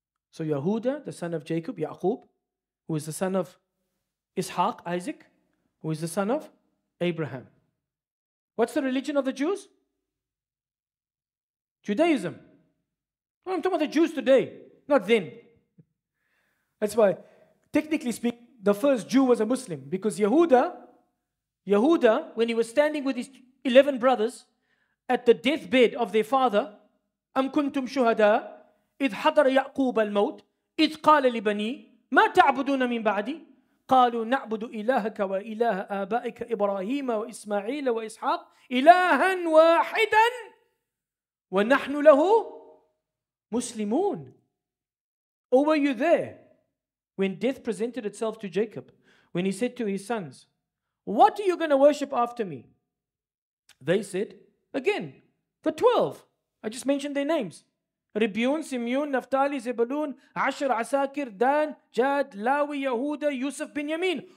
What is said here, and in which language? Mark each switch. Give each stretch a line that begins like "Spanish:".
English: So Yehuda, the son of Jacob, Ya'qub, who is the son of Ishaq, Isaac, who is the son of Abraham. What's the religion of the Jews? Judaism. Well, I'm talking about the Jews today, not then. That's why, technically speaking, the first Jew was a Muslim. Because Yehuda, when he was standing with his 11 brothers at the deathbed of their father,
Arabic: أَمْ كُنْتُمْ شُهَدَاءَ إِذْ حَضَرَ يَعْقُوبَ الْمَوْتِ إِذْ قَالَ لِبَنِي مَا تَعْبُدُونَ مِنْ بَعْدِي قَالُوا نَعْبُدُ إِلَهَكَ وَإِلَهَ آبَائِكَ إِبْرَاهِيمَ وَإِسْمَعِيلَ وَإِسْحَاقَ إِلَهًا وَاحِدًا وَنَحْنُ لَهُ مُسْلِمُونَ.
English: Or were you there when death presented itself to Jacob, when he said to his sons, what are you going to worship after me? They said, again, the 12. I just mentioned their names. Ribyun, Simeon, Naphtali, Zebulun, Asher, Asakir, Dan, Jad, Lawi, Yehuda, Yusuf, Binyamin.